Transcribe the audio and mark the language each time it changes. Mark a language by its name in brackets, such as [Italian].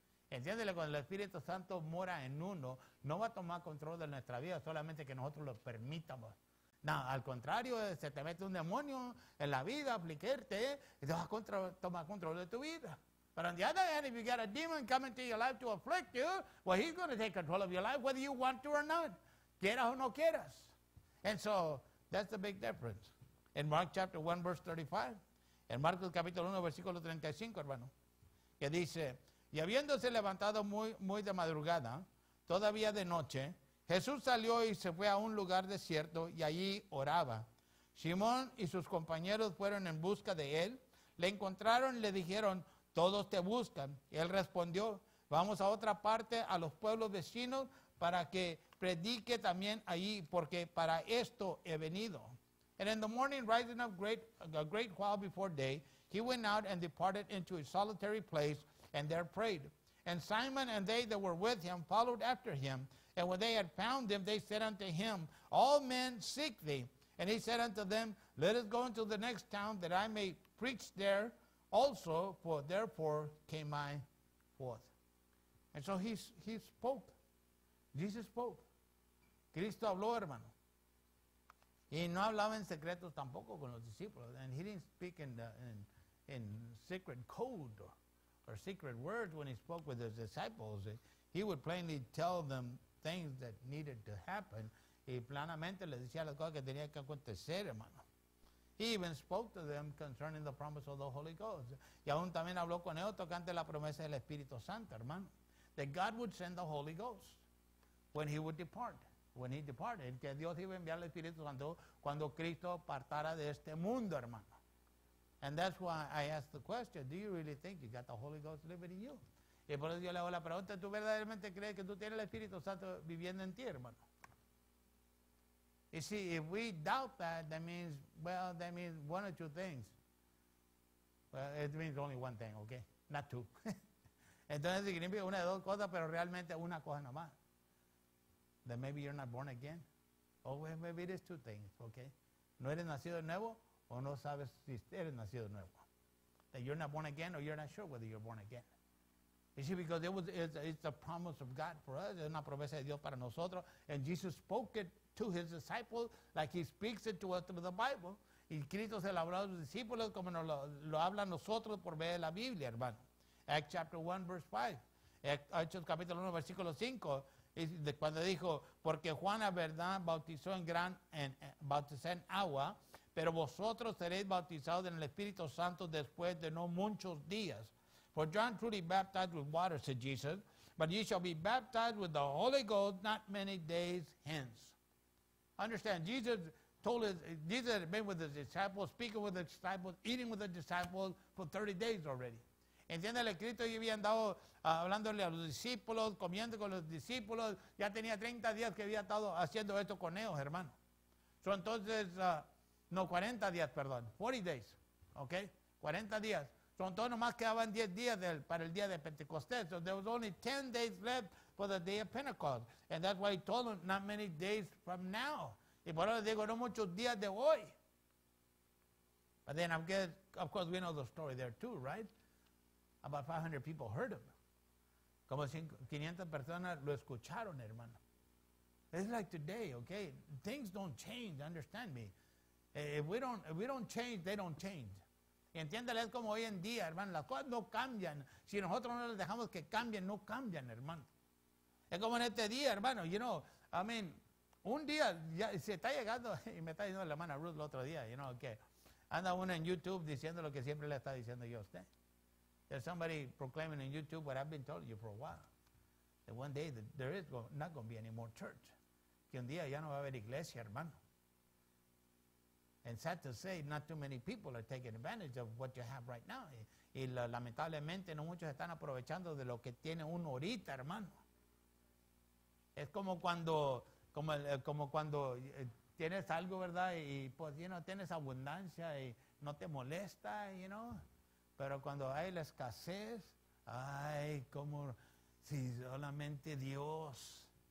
[Spanish] Entiéndele, cuando el Espíritu Santo mora en uno, no va a tomar control de nuestra vida solamente que nosotros lo permitamos. No, al contrario, se te mete un demonio en la vida, aplicarte, y te va a tomar control de tu vida. [English] But on the other hand, if you got a demon coming to your life to afflict you, well, he's going to take control of your life whether you want to or not. [Spanish] Quieras o no quieras. [English] And so, that's the big difference. In Mark chapter 1, verse 35. [Spanish] En Marcos capítulo 1, versículo 35, hermano. Que dice, y habiéndose levantado muy de madrugada, todavía de noche, Jesús salió y se fue a un lugar desierto y allí oraba. Simón y sus compañeros fueron en busca de él. Le encontraron y le dijeron, todos te buscan. Y él respondió, vamos a otra parte, a los pueblos vecinos, para que predique también allí, porque para esto he venido. [English] And in the morning, rising up a great while before day, he went out and departed into a solitary place, and there prayed. And Simon and they that were with him followed after him, And when they had found him, they said unto him, all men seek thee. And he said unto them, let us go into the next town that I may preach there also, for therefore came I forth. And so he spoke. Jesus spoke. [Spanish] Cristo habló, hermano. Y no hablaba en secreto tampoco con los discípulos. [English] And he didn't speak in secret code or secret words when he spoke with his disciples. He would plainly tell them things that needed to happen. [Spanish] Y planamente les decía las cosas que tenían que acontecer, hermano. [English] He even spoke to them concerning the promise of the Holy Ghost. [Spanish] Y aún también habló con ellos tocante la promesa del Espíritu Santo, hermano. [English] That God would send the Holy Ghost when he would depart. When he departed, [Spanish] que Dios iba a enviar el Espíritu Santo cuando Cristo partara de este mundo, hermano. [English] And that's why I asked the question, do you really think you got the Holy Ghost living in you? [Spanish] Y por eso yo le hago la pregunta, ¿tú verdaderamente crees que tú tienes el Espíritu Santo viviendo en ti, hermano? [English] You see, if we doubt that means one or two things. Well, it means only one thing, okay? Not two. [Spanish] Entonces significa una de dos cosas, pero realmente una cosa nomás. [English] Then maybe you're not born again. Oh, well, maybe it is two things, okay? [Spanish] No eres nacido de nuevo, o no sabes si eres nacido de nuevo. [English] That you're not born again, or you're not sure whether you're born again. You see, because it's a promise of God for us. [Spanish] Es una promesa de Dios para nosotros. [English] And Jesus spoke it to his disciples like he speaks it to us through the Bible. [Spanish] Y Cristo se lo habló a los discípulos como nos lo habla a nosotros por medio de la Biblia, hermano. [English] Acts chapter 1, verse 5. [Spanish] Hechos capítulo 1, versículo 5. Y cuando dijo, porque Juan a verdad bautizó en agua, pero vosotros seréis bautizados en el Espíritu Santo después de no muchos días. [English] For John truly baptized with water, said Jesus, but ye shall be baptized with the Holy Ghost not many days hence. Understand, Jesus had been with his disciples, speaking with the disciples, eating with the disciples for 30 days already. [Spanish] Entiéndale, Cristo ya había andado hablándole a los discípulos, comiendo con los discípulos. Ya tenía 30 días que había estado haciendo esto con ellos, hermano. So, entonces, 40 días, perdón. [English] 40 days, ok. [Spanish] 40 días. So, entonces, nomás quedaban 10 días para el día de Pentecostés. [English] So, there was only 10 days left for the day of Pentecost. And that's why he told them, not many days from now. [Spanish] Y por eso les digo, no muchos días de hoy. [English] But then, of course, we know the story there too, right? About 500 people heard him. [Spanish] Como 500 personas lo escucharon, hermano. [English] It's like today, okay? Things don't change, understand me. If we don't change, [Spanish] they don't change. Entiéndale, es como hoy en día, hermano. Las cosas no cambian. Si nosotros no les dejamos que cambien, no cambian, hermano. Es como en este día, hermano. [English] You know, I mean, [Spanish] un día ya se está llegando. Y me está diciendo la hermana Ruth el otro día, you know, que okay. Anda uno en YouTube diciendo lo que siempre le está diciendo yo a usted. [English] There's somebody proclaiming on YouTube what I've been telling you for a while. That one day there is not going to be any more church. [Spanish] Que un día ya no va a haber iglesia, hermano. [English] And sad to say, not too many people are taking advantage of what you have right now. [Spanish] Y lamentablemente no muchos están aprovechando de lo que tiene uno ahorita, hermano. Es como cuando tienes algo, ¿verdad? Y pues, you know, tienes abundancia y no te molesta, you know. Pero cuando hay la escasez, ay, como si solamente Dios.